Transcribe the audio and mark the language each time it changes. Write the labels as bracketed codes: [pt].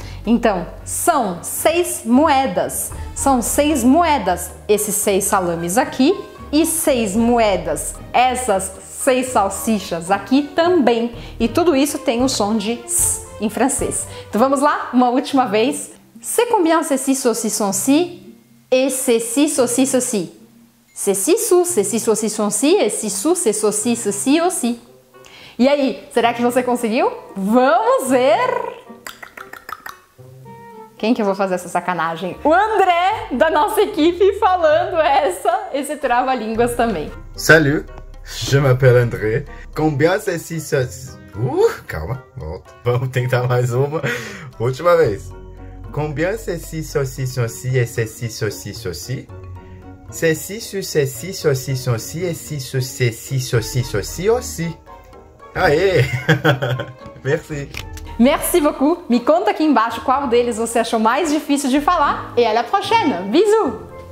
[pt] Então, são seis moedas. São seis moedas esses seis salames aqui e seis moedas essas seis salsichas aqui também. E tudo isso tem o som de s em francês. Então vamos lá, uma última vez. [fr] C'est combien ces six saucissons ci et ces six saucisses ci? C'est six sous ces six saucissons ci et six sous ces saucisses ci aussi. [pt] E aí, será que você conseguiu? Vamos ver! Quem que eu vou fazer essa sacanagem? O André, da nossa equipe, falando esse trava-línguas também. [fr] Salut, je m'appelle André. Combien ces six saucissons... [pt] calma, volta. Vamos tentar mais uma. Última vez. [fr] Combien ces six saucissons ci et ces six saucisses ci? Ces six sous ces six saucissons ci et six sous ces six saucisses ci aussi. Aê! Merci! Merci beaucoup! [pt] Me conta aqui embaixo qual deles você achou mais difícil de falar e [fr] à la prochaine! [pt] Bisous!